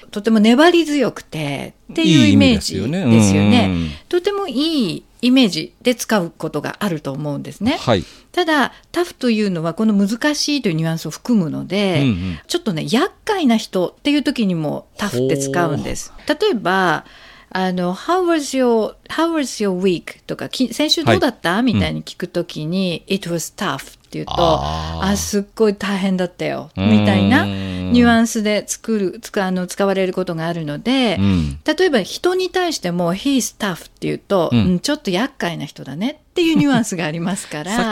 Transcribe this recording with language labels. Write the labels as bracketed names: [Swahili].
[Japanese] とても粘り強くてっていうイメージですよね。いい意味ですよね。とてもいいイメージで使うことがあると思うんですね、はい、ただタフというのはこの難しいというニュアンスを含むので、ちょっとね、厄介な人っていう時にもタフって使うんです。例えば、 [English] How was your week? [Japanese] とか、先週どうだった、はい、みたいに聞くときに、 [English] It was tough [Japanese] って言うと、あ、すっごい大変だったよみたいなニュアンスで使われることがあるので、例えば人に対しても [English] He's tough [Japanese] って言うと、ちょっと厄介な人だねっていうニュアンスがありますから